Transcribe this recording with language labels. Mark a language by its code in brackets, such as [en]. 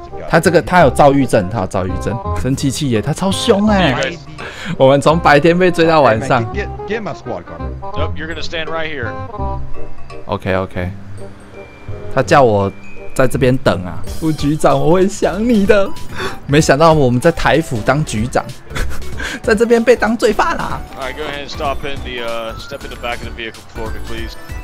[zh] 他这个他有躁郁症，他有躁郁症，生气气耶，他超凶哎！我们从白天被追到晚上。 [en] Nope, you're gonna stand right here. [zh] OK. 他叫我在这边等啊，副局长，我会想你的。没想到我们在台府当局长，在这边被当罪犯啦。 [en] All right, go ahead and stop in the step in the back of the vehicle for me, please.